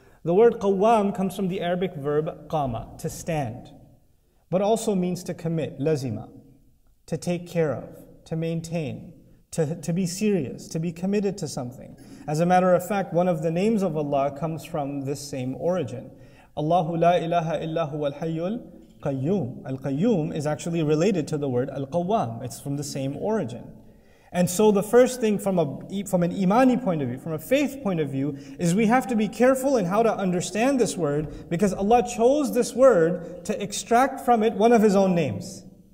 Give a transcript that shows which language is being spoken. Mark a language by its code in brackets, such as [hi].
[en] The word قَوَّام comes from the Arabic verb قَامَ, to stand, but also means to commit, لَزِمَ, to take care of, to maintain, to be serious, to be committed to something. As a matter of fact, one of the names of Allah comes from this same origin. [ar] اللَّهُ لَا إِلَهَ إِلَّا هُوَ الْحَيُّ Qayyum. [en] Al-Qayyum is actually related to the word Al-Qawwam. It's from the same origin. And so the first thing from an imani point of view, from a faith point of view, is we have to be careful in how to understand this word, because Allah chose this word to extract from it one of His own names.